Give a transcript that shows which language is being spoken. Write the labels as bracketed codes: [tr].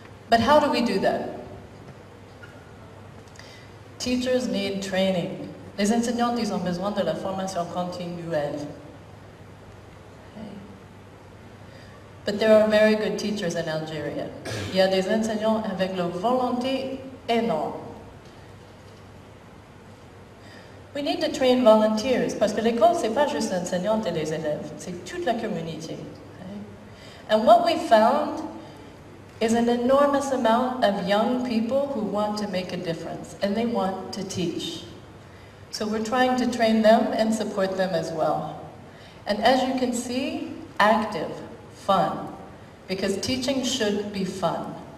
[en] But how do we do that? Teachers need training. [fr] Les enseignantes, ils ont besoin de la formation continuelle. [en] But there are very good teachers in Algeria. [fr] Il y a des enseignants avec la volonté énorme. [en] We need to train volunteers, [fr] parce que l'école, c'est pas juste l'enseignante et les élèves, c'est toute la communauté. [en] Okay? And what we found is an enormous amount of young people who want to make a difference, and they want to teach. So we're trying to train them and support them as well. And as you can see, active, fun, because teaching should be fun. Okay?